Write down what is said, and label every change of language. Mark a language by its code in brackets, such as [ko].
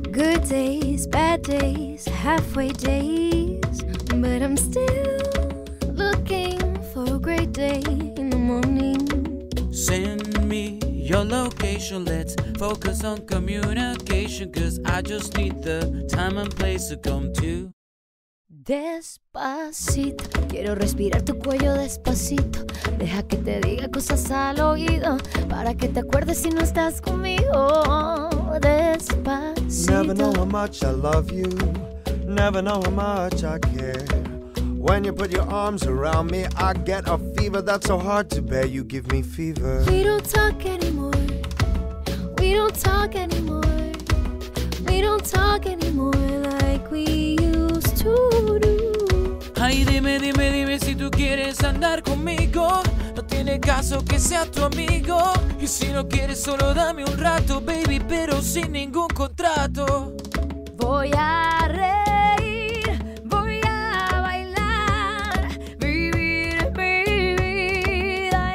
[en] Good days, bad days, halfway days, but I'm still looking for a great day in the morning. Send me your location, let's focus on communication, cause I just need the time and place to come to. [es] Despacito, quiero respirar tu cuello despacito. Deja que te diga cosas al oído, para que te acuerdes si no estás conmigo. Despacito. [en] Never know how much I love you, never know how much I care. When you put your arms around me, I get a fever that's so hard to bear. You give me fever. We don't talk anymore, we don't talk anymore, we don't talk anymore like we used to do. [es] Ay, dime, dime, dime si tú quieres andar conmigo. No tiene caso que sea tu amigo. Y si no quieres, solo dame un rato, baby, pero sin ningún contrato. Voy a reír, voy a bailar, vivir mi vida.